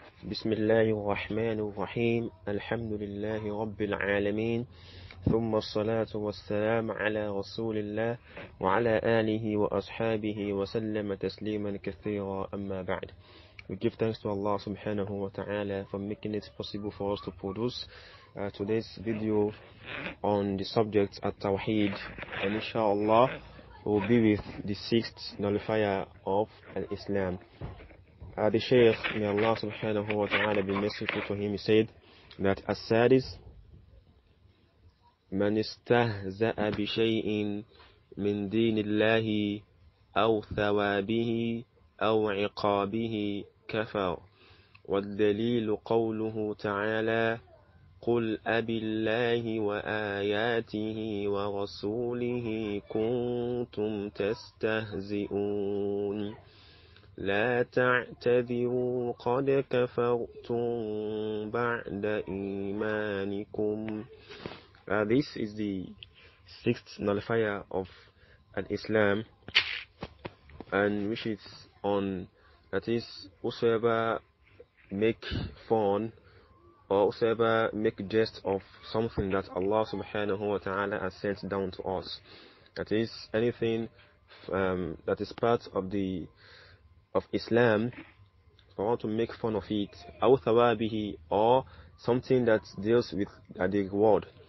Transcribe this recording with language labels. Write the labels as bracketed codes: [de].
[ar] بسم الله الرحمن الرحيم الحمد لله رب العالمين ثم الصلاة والسلام على رسول الله وعلى آله وأصحابه وسلم تسليما كثيرا أما بعد. [en] We give thanks to Allah subhanahu wa ta'ala for making it possible for us to produce today's video on the subject at-tawheed, and inshallah will be with the sixth nullifier of al-Islam. The Shaykh, may Allah subhanahu wa ta'ala be merciful to him, he said that as sad is [ar] من استهزاء بشيء من دين الله أو ثوابه أو عقابه كفر والدليل قوله تعالى قل أبي الله وآياته ورسوله كنتم تستهزئون لا تعتذروا قد كفرتم بعد إيمانكم. [en] This is the sixth nullifier of an Islam, and which is on, that is, whosoever make fun or whosoever make jest of something that Allah subhanahu wa ta'ala has sent down to us, that is anything that is part of the of Islam, if I want to make fun of it, aw thawabihi, or something that deals with the reward.